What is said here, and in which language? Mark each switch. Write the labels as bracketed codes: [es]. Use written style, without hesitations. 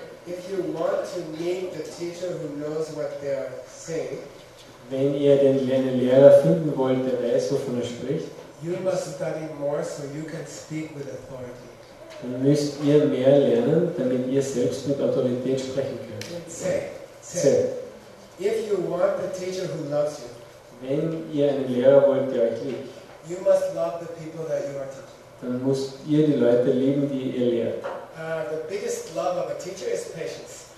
[en] If you want to meet the teacher who knows what they are saying, [de] wenn ihr den Lehrer finden wollt, der weiß, wovon er spricht, [en] you must study more so you can speak with authority. [de] Dann müsst ihr mehr lernen, damit ihr selbst mit Autorität sprechen könnt. [en] Say. If you want the teacher who loves you, [de] wenn ihr einen Lehrer wollt, der euch liebt, [en] you must love the people that you are teaching. [de] Dann müsst ihr die Leute lieben, die ihr lehrt. [en] The biggest love of a teacher is patience.